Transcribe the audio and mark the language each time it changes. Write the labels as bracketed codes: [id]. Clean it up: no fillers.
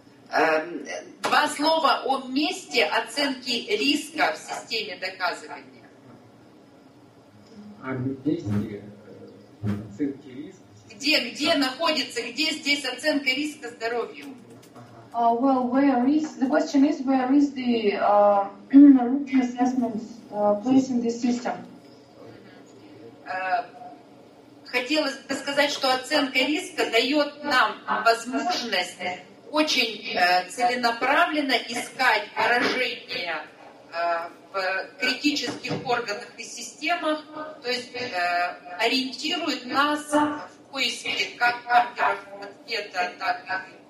[ru] Два слова о месте оценки риска в системе доказывания. А где оценки риска? Где находится, где здесь оценка риска здоровью? [en] Well, where is the question? Is where is the risk assessment place in this system? [ru] Хотелось бы сказать, что оценка риска дает нам возможность очень целенаправленно искать поражения в критических органах и системах, то есть ориентирует нас в поиске как маркеров ответа, так